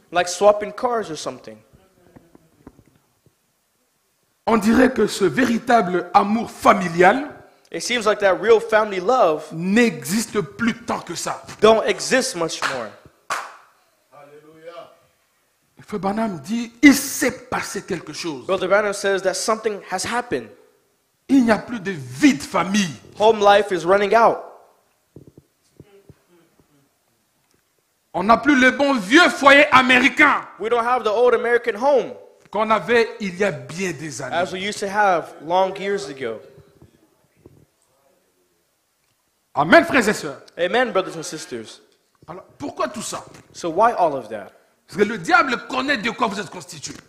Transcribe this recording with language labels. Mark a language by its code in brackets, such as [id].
[en] Like swapping cars or something. [fr] On dirait que ce véritable amour familial [en] it seems like that real family love [fr] n'existe plus tant que ça. [en] Don't exist much more. [fr] Alléluia. Frère Branham dit, il s'est passé quelque chose. [en] Brother Branham says that something has happened. [fr] Il n'y a plus de vie de famille. [en] Home life is running out. [fr] On n'a plus le bon vieux foyer américain. [en] We don't have the old American home. [fr] Qu'on avait il y a bien des années. [en] As we used to have long years ago. [fr] Amen, frères et sœurs. [en] Amen, brothers and sisters. [fr] Alors, pourquoi tout ça? [en] So why all of that? [fr] Parce que le diable connaît de quoi vous êtes constitué.